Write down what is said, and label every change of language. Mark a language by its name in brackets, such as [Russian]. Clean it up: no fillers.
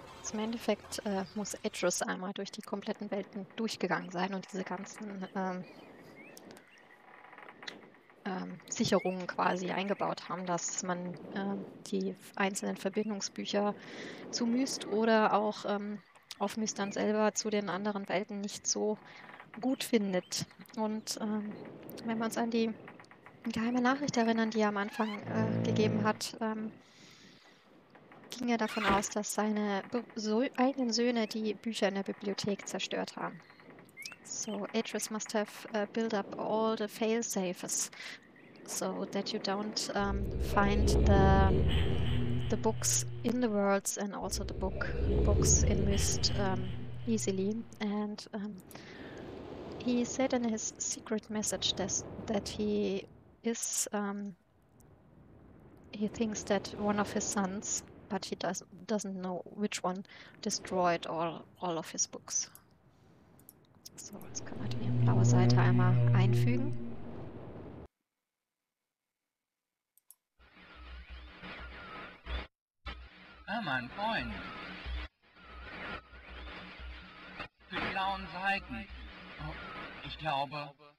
[German] Im Endeffekt muss Edris einmal durch die kompletten Welten durchgegangen sein und diese ganzen Sicherungen quasi eingebaut haben, dass man die einzelnen Verbindungsbücher zu Myst oder auch auf Myst dann selber zu den anderen Welten nicht so gut findet. Und wenn wir uns an die geheime Nachricht erinnern, die er am Anfang gegeben hat, ging er davon aus, dass seine so eigenen Söhne die Bücher in der Bibliothek zerstört haben. [English] So, Atreus must have built up all the fail-safes, so that you don't find the books in the worlds and also the books in Myst easily. And he said in his secret message that he is he thinks that one of his sons, but he doesn't know which one destroyed all of his books. [German] So, jetzt können wir die blaue Seite einmal einfügen. Ah, mein Freund. Für die blauen Seiten. Oh, ich glaube.